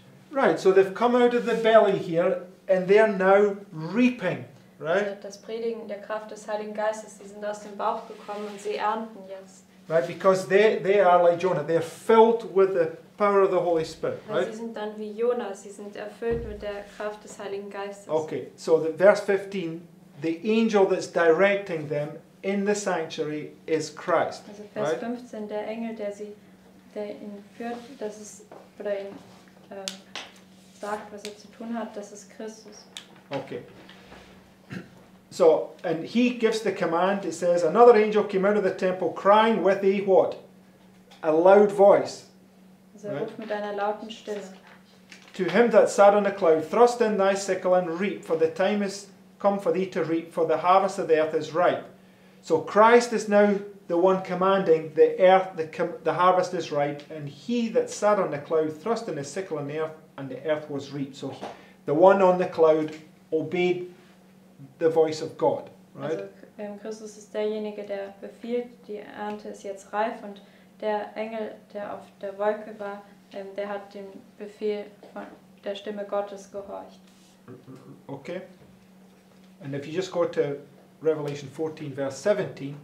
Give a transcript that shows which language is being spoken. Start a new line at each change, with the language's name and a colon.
English: Right, so they've come out of the belly here and they are now reaping, right?
German: Das Predigen der Kraft des Heiligen Geistes, sie sind aus dem Bauch gekommen und sie ernten jetzt.
English: Right, because they are like Jonah, they are filled with the power of the Holy Spirit, right?
German: Sie sind dann wie Jonah, sie sind erfüllt mit der Kraft des Heiligen Geistes.
English: Okay, so the verse 15, the angel that's directing them in the sanctuary is Christ.
German: Also Vers
English: right?
German: 15, der Engel, der sie ihn führt, dass es oder ihn sagt, was er zu tun hat, das ist Christus.
English: Okay. So, and he gives the command, it says, another angel came out of the temple crying with a what? A loud voice.
German: Also
English: right?
German: ruft mit einer lauten Stimme.
English: To him that sat on the cloud, thrust in thy sickle and reap, for the time is come for thee to reap, for the harvest of the earth is ripe. So Christ is now the one commanding the earth, the harvest is ripe, and he that sat on the cloud thrust in his sickle on the earth, and the earth was reaped. So the one on the cloud obeyed the voice of God, right?
German: Also, Christus ist derjenige, der befiehlt, die Ernte ist jetzt reif, und der Engel, der auf der Wolke war, der hat dem Befehl von der Stimme Gottes gehorcht.
English: Okay. And if you just go to Revelation 14, verse 17.